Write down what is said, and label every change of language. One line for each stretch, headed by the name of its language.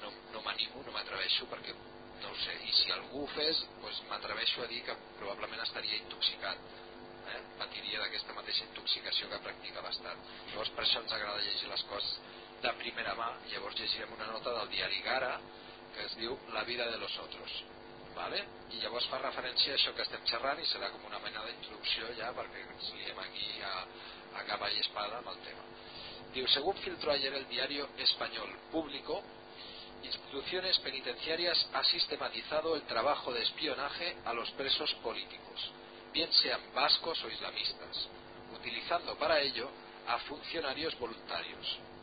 Catalan: No m'animo, no m'atreveixo, perquè no ho sé, i si algú ho fes, doncs m'atreveixo a dir que probablement estaria intoxicat, patiria d'aquesta mateixa intoxicació que practica l'Estat. Llavors, per això ens agrada llegir les coses de primera mà. Llavors llegirem una nota del diari Gara que es diu La vida de los otros, ¿vale? I llavors fa referència a això que estem xerrant, i serà com una mena d'introducció ja, perquè ens liem aquí a cavall i espada amb el tema. Diu,
Spanish: según filtró ayer el diario Español Público, instituciones penitenciarias ha sistematizado el trabajo de espionaje a los presos políticos, bien sean vascos o islamistas, utilizando para ello a funcionarios voluntarios.